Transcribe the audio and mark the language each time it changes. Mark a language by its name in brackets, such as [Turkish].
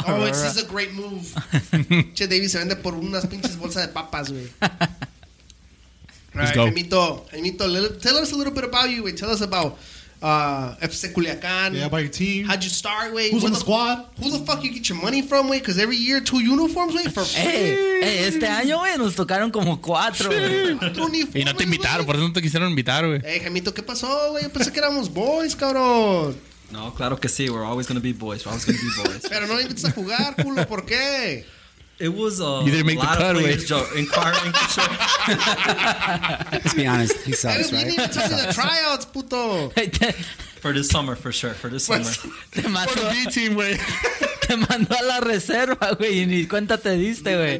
[English] Oh, this is a great move. [Spanish] Che, David se vende por unas pinches bolsas de papas, güey. [English] Right, let's go. Jaimito, tell us a little bit about you. Wait, tell us about FC Culiacan. Yeah, about your team. How'd you start, wait? Who's on the squad? Who the fuck you get your money from, wait? Because every year, two uniforms, wait, for free. [Spanish] Hey, este año, wey, nos tocaron como cuatro. Y no te invitaron, por eso no te quisieron invitar, wey. Hey, Jaimito, ¿qué pasó, wey? Yo pensé que éramos boys, cabrón. No, claro que sí. [English] We're always going to be boys. We're always going to be boys. [Spanish] Pero no invites a jugar, culo, ¿por qué? [English] It was you didn't make a lot the cut, of players inquiring. Let's be honest, he sucks, right? We didn't even touch the tryouts, puto. For this summer, for sure. For this summer. For the B team, wey. [Spanish] Te mandó a la reserva, wey. Y ni cuenta te diste, wey.